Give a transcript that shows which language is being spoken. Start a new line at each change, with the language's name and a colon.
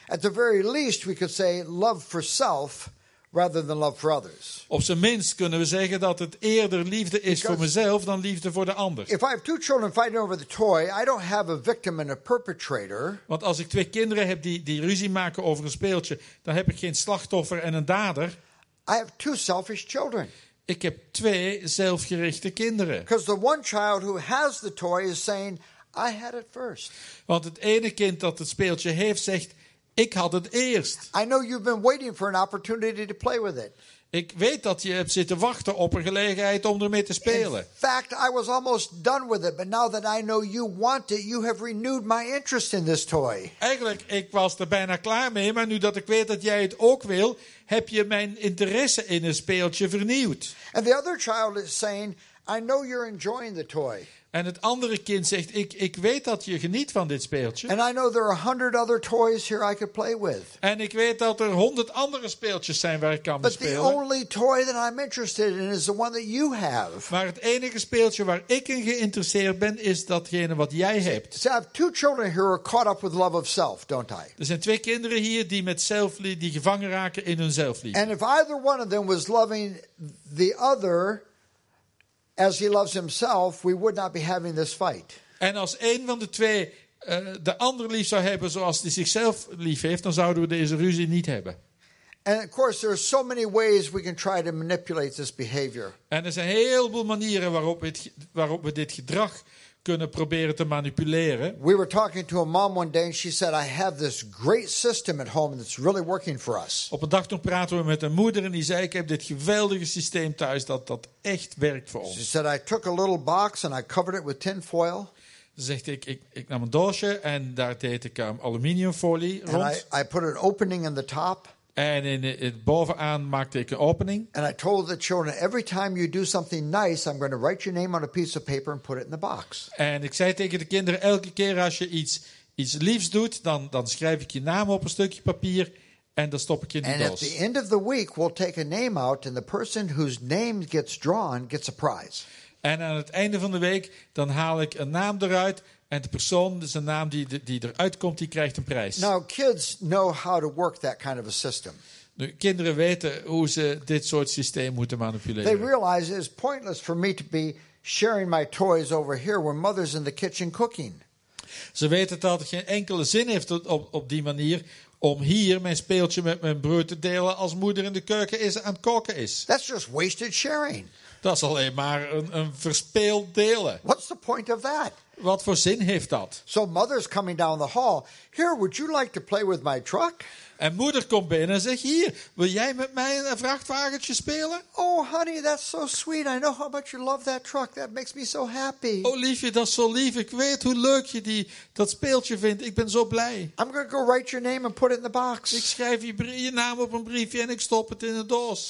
English: At the very least we could say love for self rather than love for others.
Dutch: Op zijn minst kunnen we zeggen dat het eerder liefde is because voor mezelf dan liefde voor de ander.
English: If I have two children fighting over the toy, I don't have a victim and a perpetrator.
Dutch: Want als ik twee kinderen heb die ruzie maken over een speeltje, dan heb ik geen slachtoffer en een dader.
English: I have two selfish children.
Dutch: Ik heb twee zelfgerichte kinderen.
English: Because the one child who has the toy is saying, I had it first.
Dutch: Want het ene kind dat het speeltje heeft zegt, ik had het eerst.
English: I know you've been waiting for an opportunity to play with it.
Dutch: Ik weet dat je hebt zitten wachten op een gelegenheid om ermee te spelen.
English: In fact, I was almost done with it, but now that I know you want it, you have renewed my interest in this toy.
Dutch: Eigenlijk, ik was er bijna klaar mee, maar nu dat ik weet dat jij het ook wil, heb je mijn interesse in een speeltje vernieuwd.
English: And the other child is saying, I know you're enjoying the toy.
Dutch: En het andere kind zegt, ik weet dat je geniet van dit speeltje.
English: And I know there are 100 other toys here I could play with.
Dutch: En ik weet dat er 100 andere speeltjes zijn waar ik kan
English: But
Dutch: spelen.
English: But the only toy that I'm interested in is the one that you have.
Dutch: Maar het enige speeltje waar ik in geïnteresseerd ben is datgene wat jij hebt.
English: So I have two children here who are caught up with love of self, don't I?
Dutch: Er zijn twee kinderen hier die met zelfliefde die gevangen raken in hun zelfliefde.
English: And if either one of them was loving the other as he loves himself, we would not be having this fight.
Dutch: En als een van de twee de ander lief zou hebben zoals hij zichzelf lief heeft, dan zouden we deze ruzie niet hebben.
English: And of course there are so many ways we can try to manipulate this behavior.
Dutch: En er zijn heel veel manieren waarop we dit gedrag kunnen proberen te manipuleren.
English: We were talking to a mom one day and she said, I have this great system at home that's really working for us.
Dutch: Op een dag toen praten we met een moeder en die zei, ik heb dit geweldige systeem thuis dat echt werkt voor ons.
English: She said, I took a little box and I covered it with tin foil.
Dutch: Zegt ik nam een doosje en daar deed ik aluminiumfolie
English: and
Dutch: rond.
English: I put an opening in the top.
Dutch: En in bovenaan maakte ik een opening.
English: And I told the children, every time you do something nice, I'm going to write your name on a piece of paper and put it in the box.
Dutch: En ik zei tegen de kinderen, elke keer als je iets liefs doet, dan schrijf ik je naam op een stukje papier en dan stop ik je in de
English: and
Dutch: doos.
English: And at the end of the week, we'll take a name out and the person whose name gets drawn gets a prize.
Dutch: En aan het einde van de week, dan haal ik een naam eruit en de persoon, dus de naam die eruit komt, die krijgt een prijs.
English: Now kids know how to work that kind of a system.
Dutch: Nu, kinderen weten hoe ze dit soort systeem moeten manipuleren.
English: They realize it's pointless for me to be sharing my toys over here when mother's in the kitchen cooking.
Dutch: Ze weten dat het geen enkele zin heeft op die manier om hier mijn speeltje met mijn broer te delen als moeder in de keuken is aan het koken is.
English: That's just wasted sharing.
Dutch: Dat is alleen maar een verspeeld delen.
English: What's the point of that?
Dutch: Wat voor zin heeft dat?
English: So mother's coming down the hall. Here, would you like to play with my truck?
Dutch: En moeder komt binnen en zegt, hier, wil jij met mij een vrachtwagentje spelen?
English: Oh, honey, that's so sweet. I know how much you love that truck. That makes me so happy.
Dutch: Oh, liefje, dat is zo lief. Ik weet hoe leuk je dat speeltje vindt. Ik ben zo blij.
English: I'm gonna go write your name and put it in the box.
Dutch: Ik schrijf je naam op een briefje en ik stop het in de doos.